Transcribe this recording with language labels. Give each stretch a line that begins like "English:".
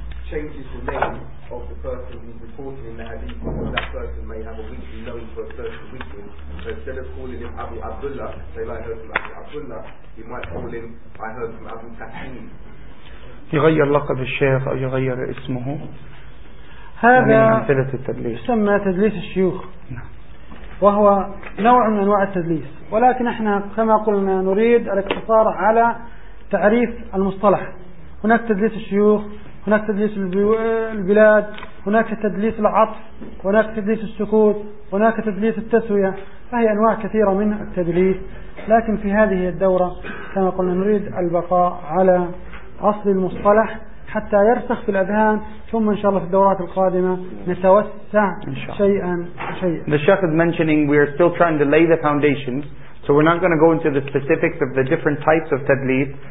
English: Changes the name of the person who's reporting in the hadith, because that person may have a weekly known for a certain weekly. So instead of calling him Abu Abdullah, say I heard from Abu Abdullah, he might call him I heard from Abu Tahim.
Arabic: يغير لقب الشيخ أو يغير اسمه. هذا يسمى تدليس الشيوخ. وهو نوع من أنواع التدليس. ولكن إحنا كما قلنا نريد الاقتصار على تعريف المصطلح. هناك تدليس الشيوخ. هناك تدليس البلاد، هناك تدليس العطف، هناك تدليس السكوت، هناك تدليس التسوية، فهي أنواع كثيرة من التدليس. لكن في هذه الدورة كما قلنا نريد البقاء على أصل المصطلح حتى يرسخ في الأذهان، ثم إن شاء الله في الدورات القادمة نتوسع شيئا شيئا.
English: The Sheikh is mentioning we are still trying to lay the foundations, so we're not going to go into the specifics of the different types of tadlis.